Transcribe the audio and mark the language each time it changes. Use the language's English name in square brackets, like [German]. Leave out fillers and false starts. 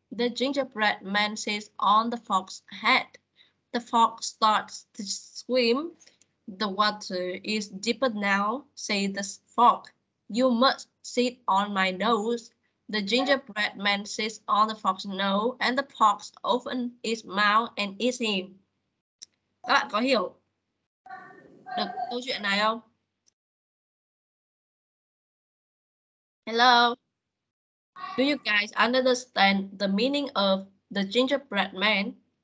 [English] The gingerbread man sits on the fox's head. The fox starts to swim. The water is deeper now, says the fox. You must sit on my nose. The gingerbread man sits on the fox's nose, and the fox opens its mouth and eats him. [Vietnamese] Các bạn có hiểu được câu chuyện này không? [English] Hello? Do you guys understand the meaning of the gingerbread man?